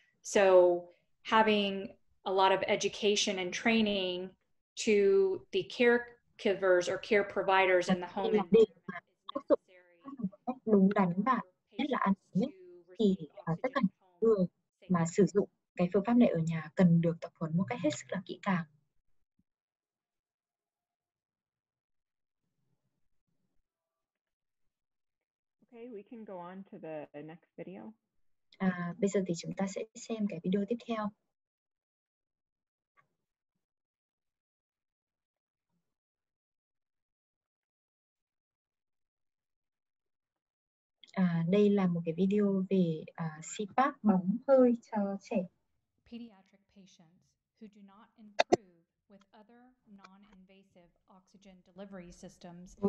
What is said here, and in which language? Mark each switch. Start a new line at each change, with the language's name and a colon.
English: So having a lot of education and training to the caregivers or care providers in the home is necessary.
Vietnamese: Đúng đắn và nhất là an toàn nhất thì tất cả những người mà sử dụng cái phương pháp này ở nhà cần được tập huấn một cách hết sức là kỹ càng.
English: Okay, we can go on to the next video.
Vietnamese: Bây giờ thì chúng ta sẽ xem cái video tiếp theo. Đây là một cái video về CPAP bóng hơi cho trẻ.
English: Pediatric patients who do not improve with other non-invasive oxygen delivery systems.